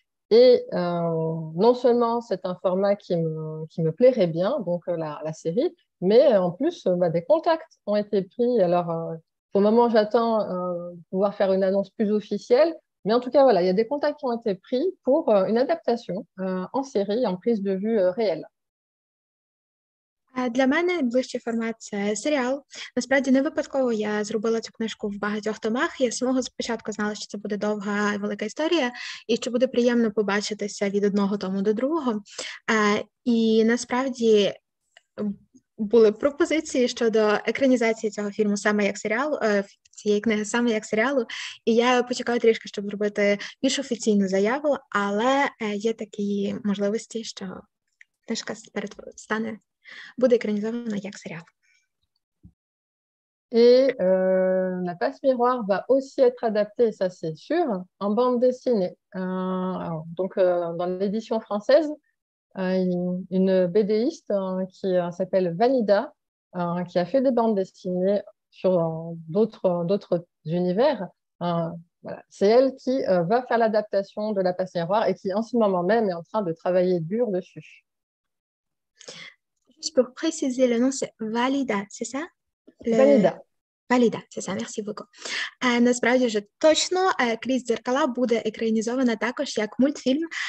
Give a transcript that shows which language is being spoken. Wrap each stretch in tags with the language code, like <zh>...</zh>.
<fr>Et non seulement c'est un format qui me plairait bien, donc la série, mais en plus, des contacts ont été pris. Alors, pour le moment, j'attends de pouvoir faire une annonce plus officielle. Mais en tout cas, voilà, il y a des contacts qui ont été pris pour une adaptation en série, en prise de vue réelle.</fr> <uk>Для мене ближчий формат – це серіал. Насправді, не випадково я зробила цю книжку в багатьох томах. Я з самого спочатку знала, що це буде довга і велика історія, і що буде приємно побачитися від одного тому до другого. І насправді були пропозиції щодо екранізації цього фільму саме як серіалу, цієї книги саме як серіалу. І я почекаю трішки, щоб зробити більш офіційну заяву, але є такі можливості, що книжка стане... буде екранізована як серіал.</uk> <fr>Et La Passe Miroir va aussi être adaptée, ça c'est sûr, en bande dessinée. Dans l'édition française, une BDiste qui s'appelle Vanida, qui a fait des bandes dessinées sur d'autres univers. C'est elle qui va faire l'adaptation de La Passe Miroir et qui en ce moment même est en train de travailler dur dessus. Pour préciser le nom, c'est Valida, c'est ça? Valida. Valida, c'est ça, merci beaucoup.</fr> <uk>Насправді, вже точно «Крізь дзеркала» буде екранізована також як мультфільм.</uk>